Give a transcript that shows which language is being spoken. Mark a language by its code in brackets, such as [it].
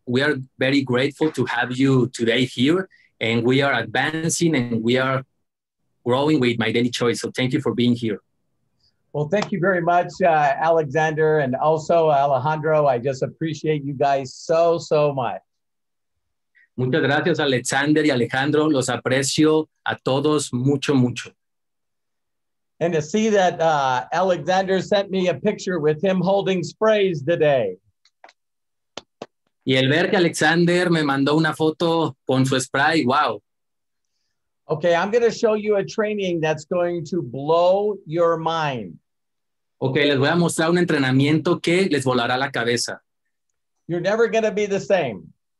[en] We are very grateful to have you today here and we are advancing and we are growing with My Daily Choice. So thank you for being here. Well, thank you very much, Alexander, and also Alejandro. I just appreciate you guys so, so much. [es] Muchas gracias, Alexander y Alejandro. Los aprecio a todos mucho, mucho. [en] And to see that Alexander sent me a picture with him holding sprays today. [es] Y el ver que Alexander me mandó una foto con su spray, wow. [en] Okay, I'm going to show you a training that's going to blow your mind. [es] Okay, les voy a mostrar un entrenamiento que les volará la cabeza. [en] You're never going to be the same.